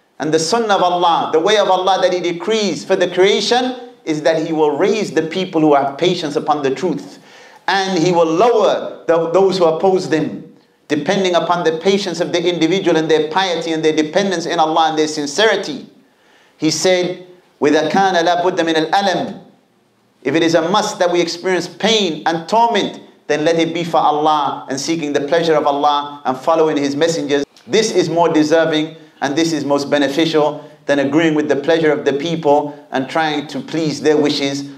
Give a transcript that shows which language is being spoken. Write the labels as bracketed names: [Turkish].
[English] And the sunnah of Allah, the way of Allah that He decrees for the creation, is that He will raise the people who have patience upon the truth, and He will lower those who oppose them, depending upon the patience of the individual and their piety and their dependence in Allah and their sincerity. He said, [Arabic] وَإِذَا كَانَ لَا بُدَّ مِنَ الْأَلَمِ. [English] If it is a must that we experience pain and torment, then let it be for Allah and seeking the pleasure of Allah and following His messengers. This is more deserving and this is most beneficial than agreeing with the pleasure of the people and trying to please their wishes.